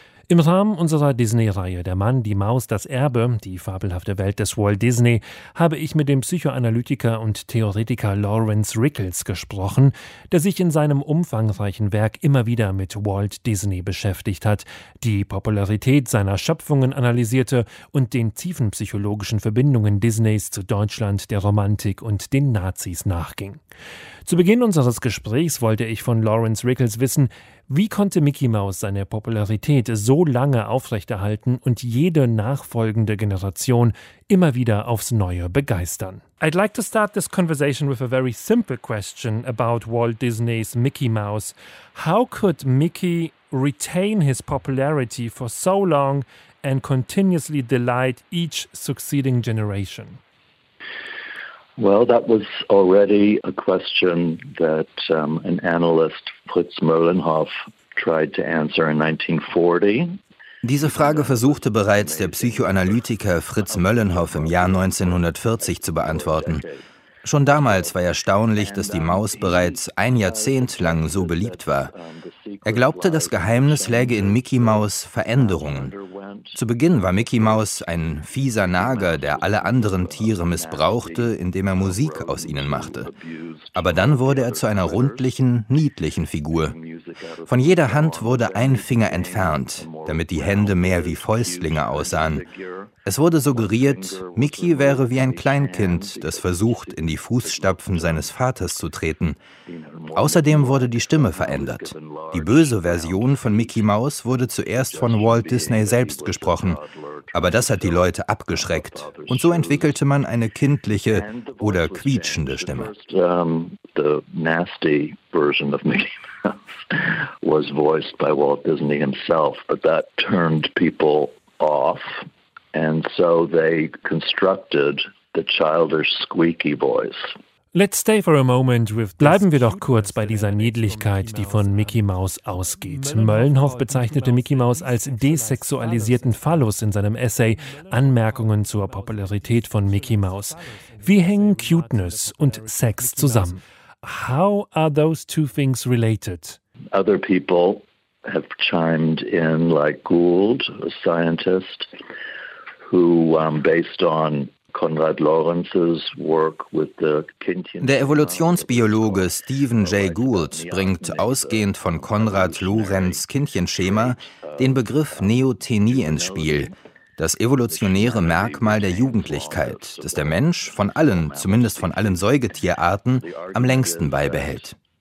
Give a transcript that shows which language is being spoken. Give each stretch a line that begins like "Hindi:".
German: Im Rahmen unserer Disney-Reihe Der Mann, die Maus, das Erbe, die fabelhafte Welt des Walt Disney, habe ich mit dem Psychoanalytiker und Theoretiker Lawrence Rickles gesprochen, der sich in seinem umfangreichen Werk immer wieder mit Walt Disney beschäftigt hat, die Popularität seiner Schöpfungen analysierte und den tiefen psychologischen Verbindungen Disneys zu Deutschland, der Romantik und den Nazis nachging. Zu Beginn unseres Gesprächs wollte ich von Lawrence Rickles wissen, wie konnte Mickey Mouse seine Popularität so lange aufrechterhalten und jede nachfolgende Generation immer wieder aufs Neue begeistern?
English: I'd like to start this conversation with a very simple question about Walt Disney's Mickey Mouse. How could Mickey retain his popularity for so long and continuously delight each succeeding generation? Well, that was already a question that an analyst, Fritz Mollenhof, tried to answer in 1940.
German: Diese Frage versuchte bereits der Psychoanalytiker Fritz Mollenhof im Jahr 1940 zu beantworten. Schon damals war erstaunlich, dass die Maus bereits ein Jahrzehnt lang so beliebt war. Er glaubte, das Geheimnis läge in Mickey Mouse Veränderungen. Zu Beginn war Mickey Mouse ein fieser Nager, der alle anderen Tiere missbrauchte, indem er Musik aus ihnen machte. Aber dann wurde er zu einer rundlichen, niedlichen Figur. Von jeder Hand wurde ein Finger entfernt, damit die Hände mehr wie Fäustlinge aussahen. Es wurde suggeriert, Mickey wäre wie ein Kleinkind, das versucht, in die Fußstapfen seines Vaters zu treten. Außerdem wurde die Stimme verändert. Die böse Version von Mickey Mouse wurde zuerst von Walt Disney selbst gesprochen, aber das hat die Leute abgeschreckt. Und so entwickelte man eine kindliche oder quietschende Stimme.
English: The nasty version of Mickey Mouse was voiced by Walt Disney himself, but that turned people off. And so they constructed the childish squeaky voice. Let's stay for a moment with this.
German: Bleiben wir doch kurz bei dieser Niedlichkeit, die von Mickey Mouse ausgeht. Mollenhof bezeichnete Mickey Mouse als desexualisierten Phallus in seinem Essay Anmerkungen zur Popularität von Mickey Mouse. Wie hängen Cuteness und Sex zusammen?
English: How are those two things related? Other people have chimed in, like Gould, a scientist, based on Konrad Lorenz's work with the Kindchen.
German: Der Evolutionsbiologe Stephen Jay Gould bringt ausgehend von Konrad Lorenz Kindchenschema den Begriff Neothenie ins Spiel, das evolutionäre Merkmal der Jugendlichkeit, das der Mensch von allen, zumindest von allen Säugetierarten, am längsten beibehält.